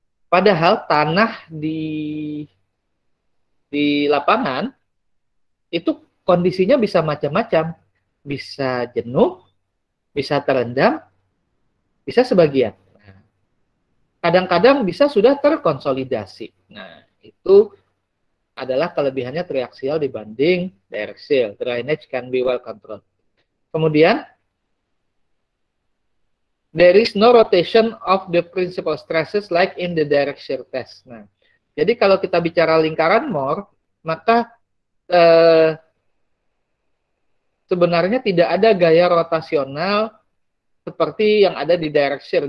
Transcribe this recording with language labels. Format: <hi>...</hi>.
<id>Padahal tanah di lapangan itu kondisinya bisa macam-macam. Bisa jenuh, bisa terendam, bisa sebagian. Kadang-kadang bisa sudah terkonsolidasi. Nah, itu adalah kelebihannya triaksial dibanding direct shear.</id> <en>Drainage can be well controlled. Kemudian, there is no rotation of the principal stresses like in the direct shear test.</en> <id>Nah, jadi kalau kita bicara lingkaran Mohr, maka sebenarnya tidak ada gaya rotasional seperti yang ada di direct shear.</id>